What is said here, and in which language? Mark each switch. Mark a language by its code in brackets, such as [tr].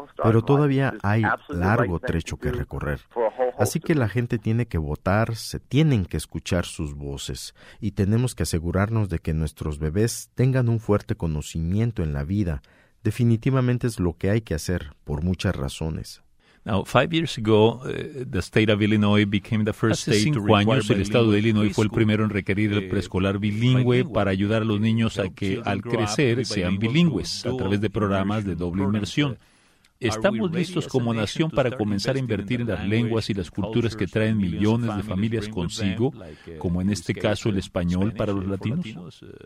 [es] Pero todavía hay largo trecho que recorrer. Así que la gente tiene que votar, se tienen que escuchar sus voces y tenemos que asegurarnos de que nuestros bebés tengan un fuerte conocimiento en la vida. Definitivamente es lo que hay que hacer por muchas razones. [en] Now, 5 years ago, the state of Illinois became the first state to require bilingual. [es] Hace 5 años, el estado de Illinois fue el primero en requerir el preescolar bilingüe para ayudar a los niños a que, al crecer, sean bilingües a través de programas de doble inmersión. ¿Estamos listos como nación para comenzar a invertir en las lenguas y las culturas que traen millones de familias consigo, como en este caso el español para los latinos?